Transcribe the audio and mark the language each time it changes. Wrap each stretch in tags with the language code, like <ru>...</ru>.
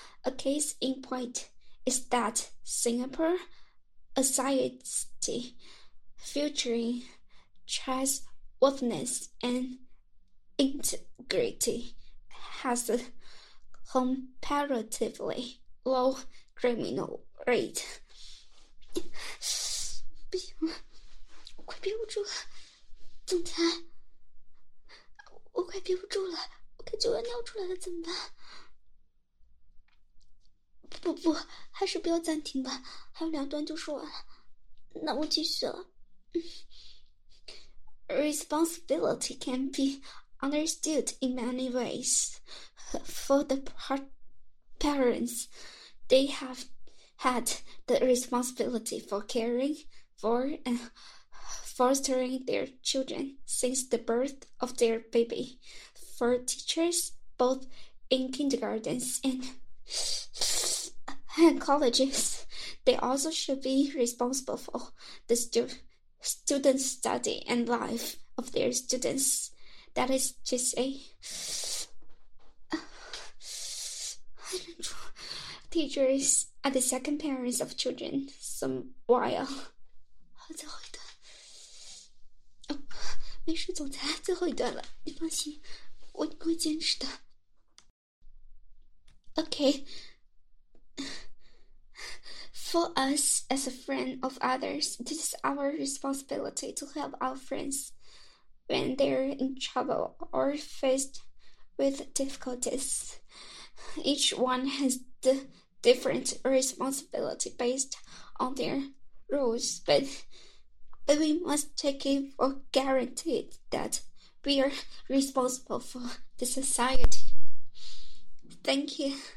<en>A case in point. Is that Singapore, a society featuring trustworthiness and integrity, has a comparatively low criminal rate?</en> <zh>不行了，我快憋不住了，总裁，我快憋不住了，我感觉我要尿出来了，怎么办？不不，还是不要暂停吧，还有两段就说完了。那我继续了。</zh> <en>Responsibility can be understood in many ways. For the parents, they have had the responsibility for caring for and fostering their children since the birth of their baby. For teachers, both in kindergartens andAnd colleges, they also should be responsible for the student study and life of their students. That is to say, teachers are the second parents of children. Some while.</en> <zh>好，最后一段。没事，总裁，最后一段了，你放心，我会坚持的。</zh> <en>Okay. For us, as a friend of others, it is our responsibility to help our friends when they're in trouble or faced with difficulties. Each one has the different responsibility based on their roles, but we must take it for granted that we are responsible for the society. Thank you.</en>